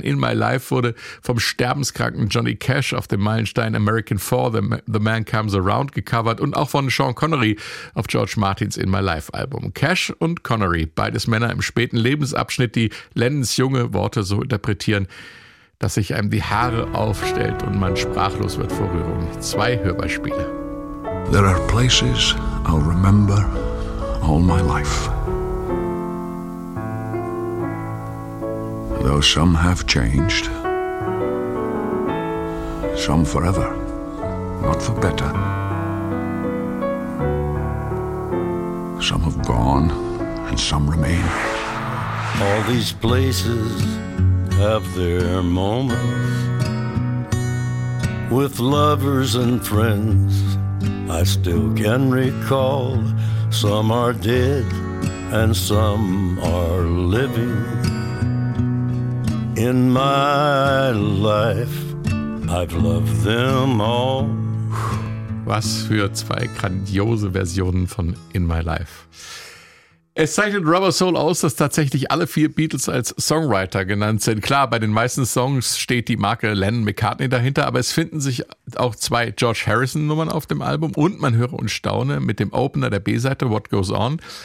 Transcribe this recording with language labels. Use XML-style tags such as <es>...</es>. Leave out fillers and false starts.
<de>In My Life wurde vom sterbenskranken Johnny Cash auf dem Meilenstein American Four, The Man Comes Around, gecovert und auch von Sean Connery auf George Martins In My Life Album. Cash und Und Connery, beides Männer im späten Lebensabschnitt, die Lennons junge Worte so interpretieren, dass sich einem die Haare aufstellt und man sprachlos wird vor Rührung. Zwei Hörbeispiele.</de> <en>There are places I'll remember all my life. Though some have changed. Some forever, not for better. Some have gone. And some remain. All these places have their moments. With lovers and friends, I still can recall. Some are dead and some are living. In my life, I've loved them all.</en> <de>Was für zwei grandiose Versionen von In My Life. Es zeichnet Rubber Soul aus, dass tatsächlich alle vier Beatles als Songwriter genannt sind. Klar, bei den meisten Songs steht die Marke Lennon McCartney dahinter, aber es finden sich auch zwei George Harrison-Nummern auf dem Album und man höre und staune mit dem Opener der B-Seite What Goes On.</de>